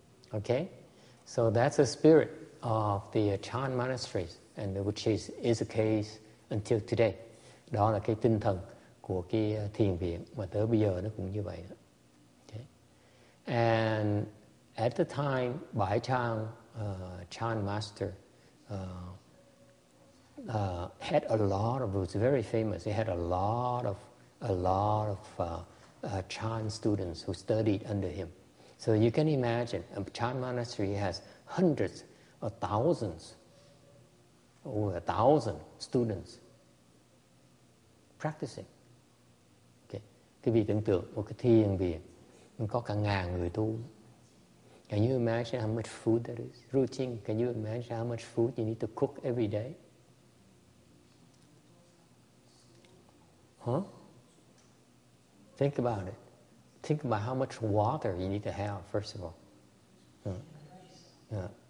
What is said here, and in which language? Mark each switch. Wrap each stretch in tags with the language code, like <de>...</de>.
<en>Okay, so that's the spirit of the Chan monasteries, and which is the case until today.</en> <vi>Đó là cái tinh thần của cái thiền viện mà tới bây giờ nó cũng như vậy.</vi> <en>And at the time, Bai Chang, Chan Master, had a lot of, was very famous. He had a lot of Chan students who studied under him. So you can imagine, a Chan Monastery has hundreds or thousands, over 1,000 students practicing. Okay.</en> <vi>Cái vị tưởng tượng của cái thiền viện, mình có cả ngàn người tu.</vi> <en>Can you imagine how much food that is? Routine, can you imagine how much food you need to cook every day? Huh? Think about it. Think about how much water you need to have, first of all.</en>